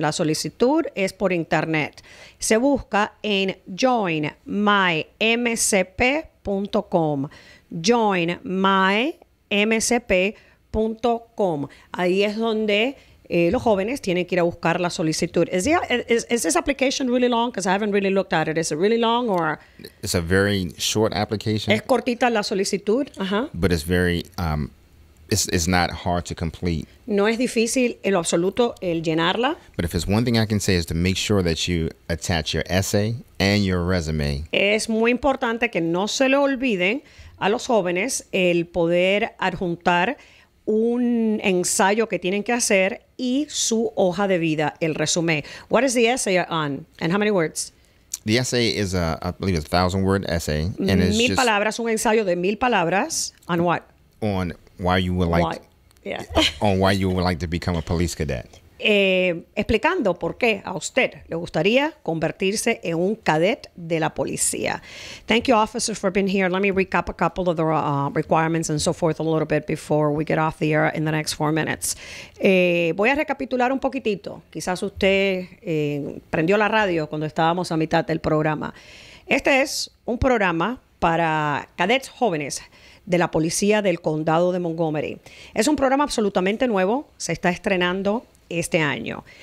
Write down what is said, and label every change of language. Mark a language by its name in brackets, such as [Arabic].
[Spanish] La solicitud es por internet. Se busca en joinmymcp.com. joinmymcp.com. Ahí es donde los jóvenes tienen que ir a buscar la solicitud. [English] Is this application really long? Because I haven't really looked at it. Is it really long or? It's a very short application. [Spanish] Es cortita la solicitud. Uh-huh. [English] But it's very, it's not hard to complete. [Spanish] No es difícil en lo absoluto el llenarla. [English] But if it's one thing I can say is to make sure that you attach your essay and your resume. [Spanish] Es muy importante que no se le olviden a los jóvenes el poder adjuntar un ensayo que tienen que hacer y su hoja de vida, el resumen. [English] What is the essay on? And how many words? The essay is a, I believe, it's a 1,000-word essay. And it's [Spanish] mil palabras, un ensayo de 1,000 palabras. [English] On what? On why you would like. Yeah. On why you would like to become a police cadet. [Spanish] Explicando por qué a usted le gustaría convertirse en un cadet de la policía. [English] Thank you, officer, for being here. Let me recap a couple of the requirements and so forth a little bit before we get off the air in the next 4 minutes. [Spanish] Voy a recapitular un poquitito. Quizás usted prendió la radio cuando estábamos a mitad del programa. Este es un programa para cadets jóvenes de la policía del condado de Montgomery. Es un programa absolutamente nuevo. Se está estrenando este año.